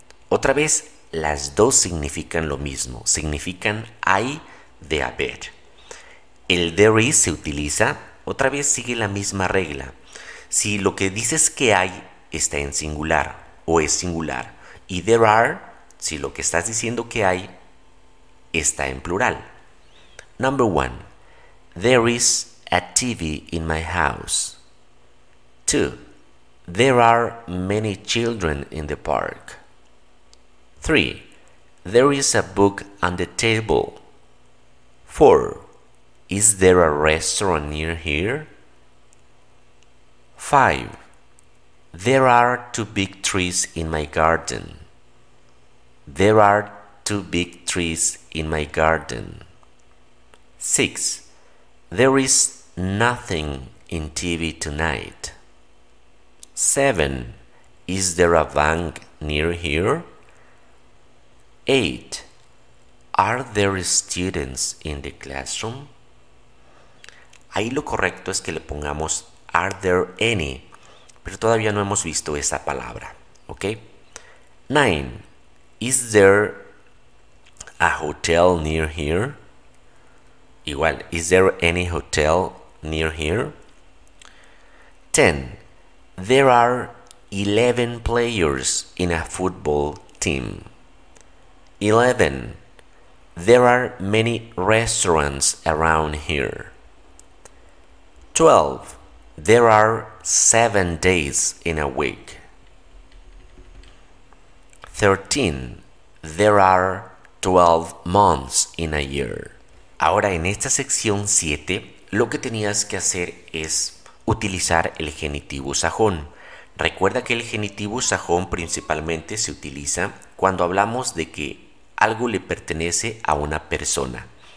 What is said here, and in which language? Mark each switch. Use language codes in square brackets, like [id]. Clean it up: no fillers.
[es] Otra vez, las dos significan lo mismo. Significan hay de haber. El there is se utiliza, otra vez sigue la misma regla. Si lo que dices que hay está en singular o es singular, y there are, si lo que estás diciendo que hay está en plural. [en] Number one, there is a TV in my house. Two, there are many children in the park. Three, there is a book on the table. Four, is there a restaurant near here? 5. There are two big trees in my garden. There are two big trees in my garden. 6. There is nothing in TV tonight. 7. Is there a bank near here? 8. Are there students in the classroom? [es] Ahí lo correcto es que le pongamos [en] are there any, [es] pero todavía no hemos visto esa palabra, ¿ok? [en] 9. Is there a hotel near here? Igual, is there any hotel near here? 10. There are 11 players in a football team. 11. There are many restaurants around here. 12. There are 7 days in a week. 13. There are 12 months in a year. [es] Ahora en esta sección 7, lo que tenías que hacer es utilizar el genitivo sajón. Recuerda que el genitivo sajón principalmente se utiliza cuando hablamos de que algo le pertenece a una persona.